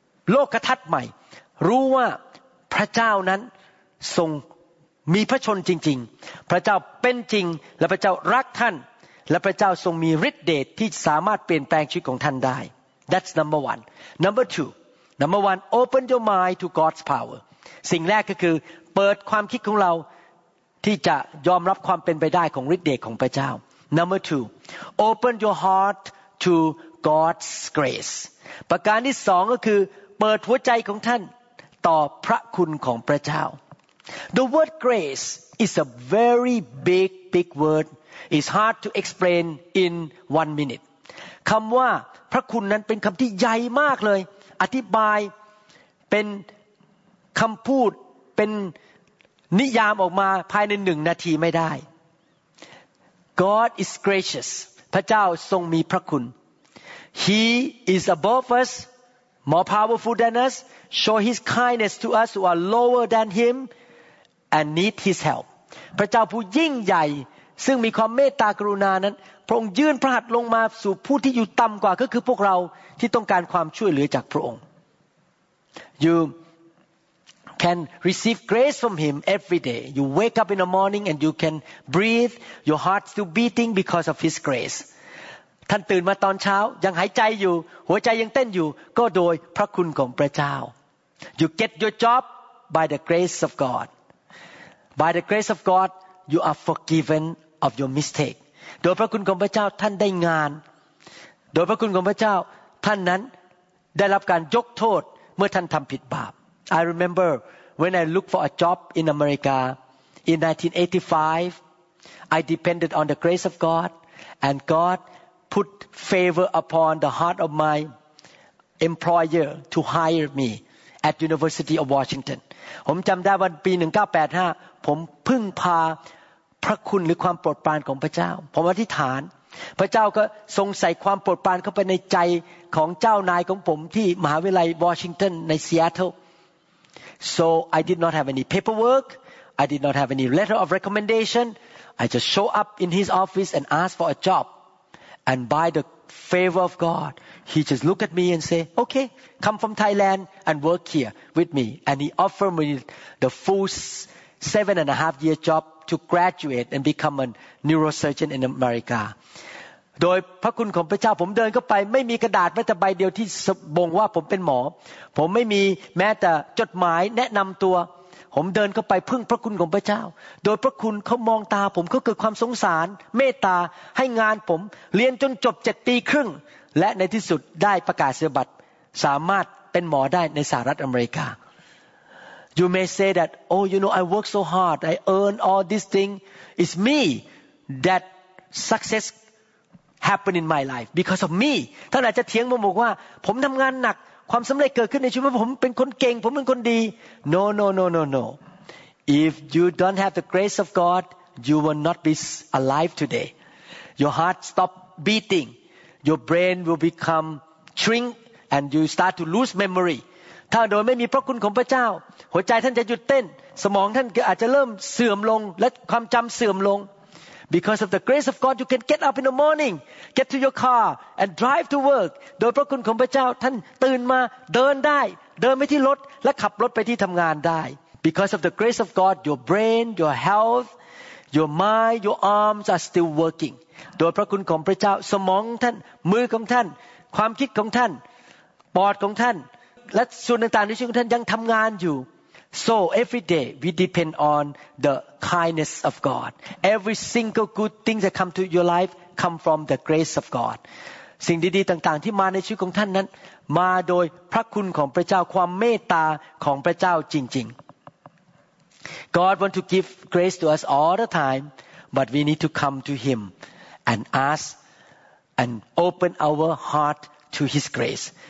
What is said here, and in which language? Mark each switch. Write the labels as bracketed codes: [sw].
[th] โลกทัศน์ใหม่รู้ว่าพระเจ้านั้นทรงมีพระชนจริงๆพระเจ้าเป็นจริงและพระเจ้ารักท่านและพระเจ้าทรงมีฤทธิ์เดชที่สามารถเปลี่ยนแปลงชีวิตของท่านได้ [en] That's number one. Number one, open your mind to God's power. [th] สิ่งแรกก็คือเปิดความคิดของเราที่จะยอมรับความเป็นไปได้ของฤทธิ์เดชของพระเจ้า [en] Number two, open your heart to God's grace. [th] ประการที่สองก็คือเปิดหัวใจของท่านต่อพระคุณของพระเจ้า [en] The word grace is a very big word. It's hard to explain in 1 minute. [th] คำว่าพระคุณนั้นเป็นคำที่ใหญ่มากเลยอธิบายเป็นคำพูดเป็นนิยามออกมาภายใน1 นาทีไม่ได้ [en] God is gracious. [th] พระเจ้าทรงมีพระคุณ [en] He is above us, more powerful than us, show his kindness to us who are lower than him and need his help. [th] พระเจ้าผู้ยิ่งใหญ่ซึ่งมีความเมตตากรุณานั้นพระองค์ยื่นพระหัตถ์ลงมาสู่ผู้ที่อยู่ต่ำกว่าก็คือพวกเราที่ต้องการความช่วยเหลือจากพระองค์ [en] You can receive grace from him every day. You wake up in the morning and you can breathe. Your heart still beating because of his grace. [th] ท่านตื่นมาตอนเช้ายังหายใจอยู่หัวใจยังเต้นอยู่ก็โดยพระคุณของพระเจ้า [en] You get your job by the grace of God. By the grace of God, you are forgiven of your mistake. [th] โดยพระคุณของพระเจ้าท่านได้งานโดยพระคุณของพระเจ้าท่านนั้นได้รับการยกโทษเมื่อท่านทำผิดบาป [en] I remember when I looked for a job in America in 1985, I depended on the grace of God, and God put favor upon the heart of my employer to hire me at University of Washington. [th] ผมจำได้วันปี1985ผมพึ่งพาพระคุณหรือความโปรดปรานของพระเจ้าผมอธิษฐานพระเจ้าก็ทรงใส่ความโปรดปรานเข้าไปในใจของเจ้านายของผมที่มหาวิทยาลัยวอชิงตันในซีแอตเทิล [en] So I did not have any paperwork I did not have any letter of recommendation I just show up in his office and ask for a job and by the favor of God he just look at me and say okay come from Thailand and work here with me and he offered me the full 7.5-year job to graduate and become a neurosurgeon in America [th] โดยพระคุณของพระเจ้าผมเดินเข้าไปไม่มีกระดาษแม้แต่ใบเดียวที่บ่งว่าผมเป็นหมอผมไม่มีแม้แต่จดหมายแนะนำตัวผมเดินเข้าไปพึ่งพระคุณของพระเจ้าโดยพระคุณเขามองตาผมเขาเกิดความสงสารเมตตาให้งานผมเรียนจนจบ7.5 ปีและในที่สุดได้ประกาศนียบัตรสามารถเป็นหมอได้ในสหรัฐอเมริกา [en] You may say that oh you know I work so hard I earn all this thing it's me that success happen in my life because of me [th] ท่านอาจจะเถียงผมบอกว่าผมทำงานหนักความสำเร็จเกิดขึ้นในชีวิตผมเป็นคนเก่งผมเป็นคนดี [en] No. If you don't have the grace of God, you will not be alive today. Your heart stop beating. Your brain will become shrink and you start to lose memory. [th] ถ้าโดยไม่มีพระคุณของพระเจ้าหัวใจท่านจะหยุดเต้นสมองท่านอาจจะเริ่มเสื่อมลงและความจำเสื่อมลง [en] Because of the grace of God, you can get up in the morning, get to your car, and drive to work. [th] โดยพระคุณของพระเจ้าท่านตื่นมาเดินได้เดินไปที่รถและขับรถไปที่ทำงานได้ [en] Because of the grace of God, your brain, your health, your mind, your arms are still working. [th] โดยพระคุณของพระเจ้าสมองท่านมือของท่านความคิดของท่านปอดของท่านและส่วนต่างๆในชีวิตของท่านยังทำงานอยู่ [en] So every day we depend on the kindness of God. Every single good thing that come to your life come from the grace of God. [th] สิ่งดีๆต่างๆที่มาในชีวิตของท่านนั้นมาโดยพระคุณของพระเจ้าความเมตตาของพระเจ้าจริง [en] ๆ God want to give grace to us all the time but we need to come to him and ask and open our heart to his grace